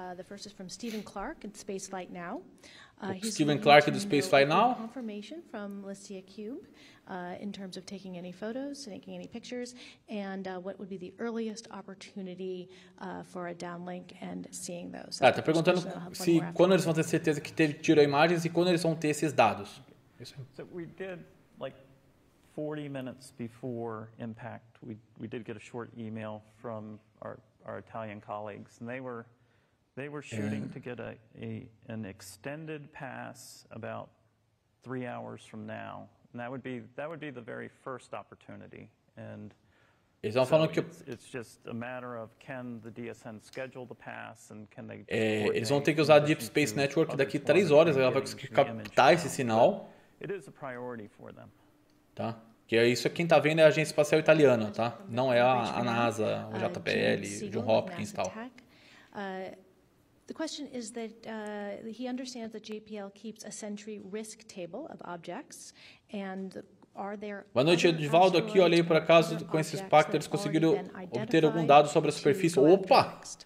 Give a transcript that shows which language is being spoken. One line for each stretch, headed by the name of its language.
English: The first is from Stephen Clark at Space Flight Now. Stephen Clark at Space Flight Now. Confirmation from Lysia Cube in terms of taking any photos, taking any pictures, and what would be the earliest opportunity for a downlink and seeing those.
Portuguese: Tá perguntando se quando eles vão ter certeza que teve tirou imagens e quando eles vão ter esses dados.
English: So we did like 40 minutes before impact. We did get a short email from our Italian colleagues, and they were shooting to get an extended pass about 3 hours from now, and that would be the very first opportunity. And so it's just a matter of can the DSN schedule the pass and can they?
Portuguese: Eles vão ter que usar a Deep Space Network daqui 3 horas, ela vai conseguir captar esse sinal.
English: It is a priority for them.
Portuguese: Tá. Que é isso, quem está vendo é a Agência Espacial Italiana, tá? Não é a NASA, o JPL, John Hopkins e tal.
English: The question is that he understands that JPL keeps a Sentry risk table of objects and are there.
Portuguese: Boa noite, Edvaldo. Aqui, olhei por acaso com esses pactos, conseguiram obter algum dado sobre a superfície. Opa!